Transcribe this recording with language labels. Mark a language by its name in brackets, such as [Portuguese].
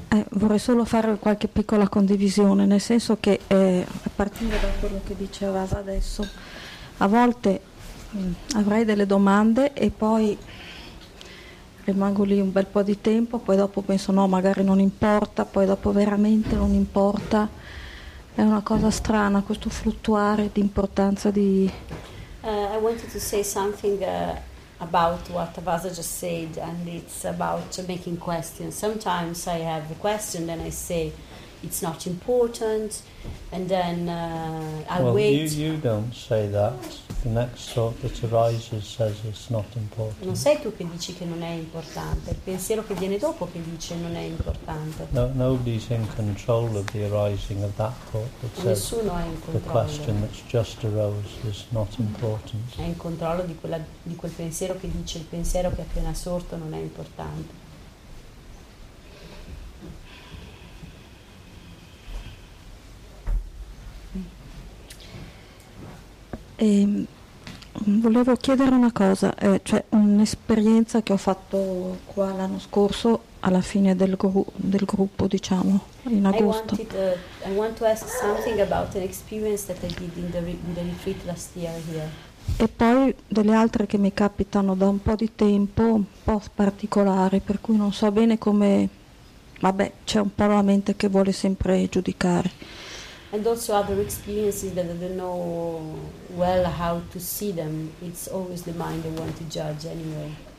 [Italian] Vorrei solo fare qualche piccola condivisione, nel senso che a partire da quello che diceva adesso, a volte avrei delle domande e poi rimango lì un bel po' di tempo, poi dopo penso no, magari non importa, poi dopo veramente non importa. È una cosa strana questo fluttuare di importanza di... [English] I wanted to say something about what Avasa just said, and it's about making questions. Sometimes I have a question, then I say it's not important, and then I wait. You don't say that. The next thought that arises says it's not important. [Italian] Non sei tu che dici che non è importante. Il pensiero che viene dopo che dice non è importante. [English] No, nobody's in control of the arising of that thought that says [Italian] nessuno è in controllo. [English] The question that's just arose is not important. [Italian] È in controllo di quella, di quel pensiero che dice il pensiero che è appena sorto non è importante. Volevo chiedere una cosa, cioè un'esperienza che ho fatto qua l'anno scorso alla fine del gruppo, diciamo, in agosto. [English] I want to ask something about an experience that I did in the retreat last year here. [Italian] E poi delle altre che mi capitano da un po' di tempo, un po' particolari, per cui non so bene come, vabbè, c'è un po' la mente che vuole sempre giudicare. [English] And also other experiences that I don't know well how to see them. It's always the mind that wants to judge anyway.